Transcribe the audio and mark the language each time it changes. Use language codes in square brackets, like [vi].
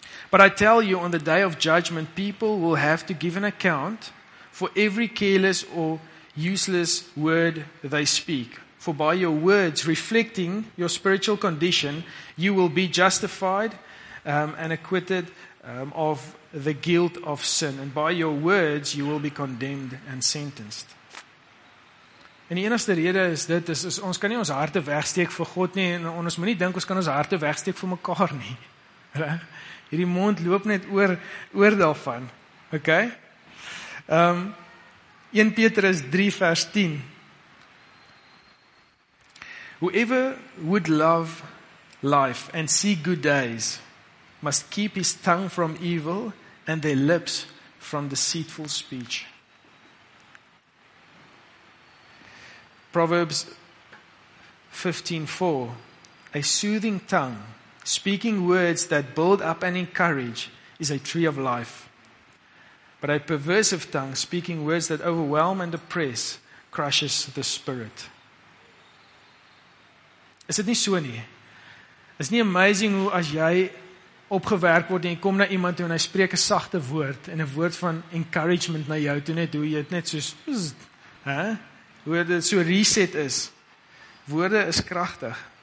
[en] But I tell you, on the day of judgment, people will have to give an account for every careless or useless word they speak. For by your words reflecting your spiritual condition, you will be justified and acquitted of the guilt of sin. And by your words, you will be condemned and sentenced. [af] En die enigste rede is dit, is ons kan nie ons harte wegsteek vir God nie, en ons moet nie dink, ons kan ons harte wegsteek vir mekaar nie. Hierdie mond loop net oor daarvan. Ok? 1 Petrus 3 vers 10. [en] Whoever would love life and see good days must keep his tongue from evil and their lips from deceitful speech. Proverbs 15:4. A soothing tongue, speaking words that build up and encourage, is a tree of life. But a perversive tongue, speaking words that overwhelm and oppress, crushes the spirit. [af] Is dit nie so nie? Is nie amazing hoe as jy opgewerk word en jy kom na iemand toe en hy spreek 'n sagte woord en 'n woord van encouragement na jou toe net hoe jy het net soos, hoe dit so reset is. Woorde is kragtig.